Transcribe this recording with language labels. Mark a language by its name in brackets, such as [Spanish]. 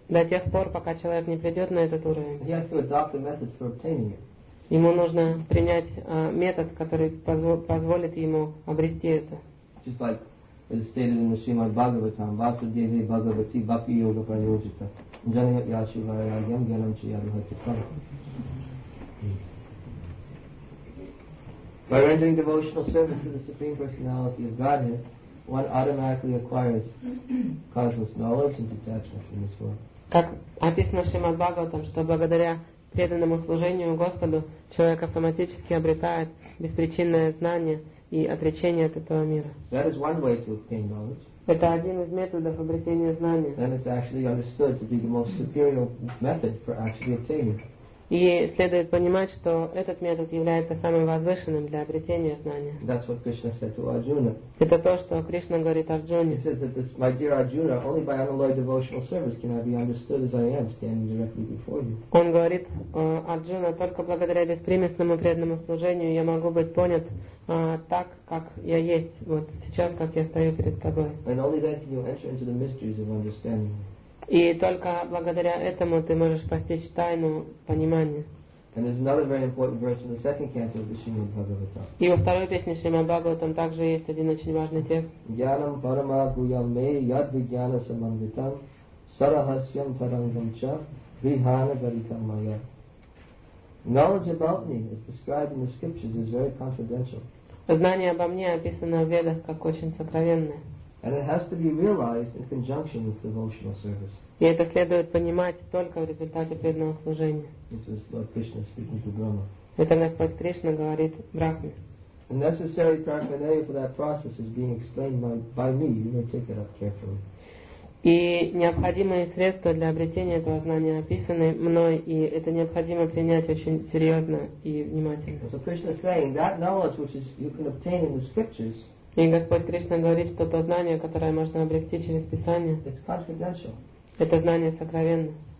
[Russian] до тех пор, пока человек не придет на этот уровень, [English] he has to adopt a method for obtaining it. [Russian] Ему нужно принять метод, который позволит ему обрести это. [English] Just like it is stated in the Srimad Bhagavatam, [Sanskrit] Vasudevi Bhagavati Bhakti Yoga Prayojita, Janayat Yashu Varayam Yam Yanam Chiyaduhatikam. [English] By rendering devotional service to the Supreme Personality of Godhead, one automatically acquires causeless knowledge and detachment from this world. [Russian] Как описано в Шримад Бхагаватам, что благодаря преданному служению Господу человек автоматически обретает беспричинное знание и отречение от этого мира. [English] That is one way to obtain knowledge. [Russian] Это один из методов обретения знания. [English] And it's actually understood to be the most superior method for actually obtaining. [Russian] И следует понимать, что этот метод является самым возвышенным для обретения знания. [English] That's what Krishna said to Arjuna. [Russian] Это то, что Кришна говорит Арджуне. [English] He says that this, my dear Arjuna, only by unalloyed devotional service can I be understood as I am, standing directly before you. [Russian] Он говорит, Арджуна, только благодаря беспримесному преданному служению я могу быть понят так, как я есть, вот сейчас, как я стою перед тобой. [English] And only then can you enter into the mysteries of understanding. [Russian] И только благодаря этому ты можешь постичь тайну понимания. [English] And there's another very important verse in the second canto of the Srimad Bhagavatam. [Russian] И во второй песне Шримад Бхагаватам также есть один очень важный текст. [Sanskrit] Гьянам парама гуяме яд вигьяна самандитам сарахасьям тарангам ча вихана гаритам мая. [English] Knowledge about me, as described in the scriptures, is very confidential. [Russian] Знание обо мне описано в Ведах как очень сокровенное. [English] And it has to be realized in conjunction with devotional service. [Russian] И это следует понимать только в результате преданного служения. [English] This is Lord Krishna speaking to Brahma. [Russian] Это Господь Кришна говорит Брахме. [English] The necessary paraphernalia for that process is being explained by me. You may take it up carefully. [Russian] И необходимые средства для обретения этого знания описаны мной, и это необходимо принять очень серьезно и внимательно. [English] So Krishna is saying that knowledge which is you can obtain in the scriptures. [Russian] И Господь Кришна говорит, что то знание, которое можно обрести через Писание, это знание сокровенное.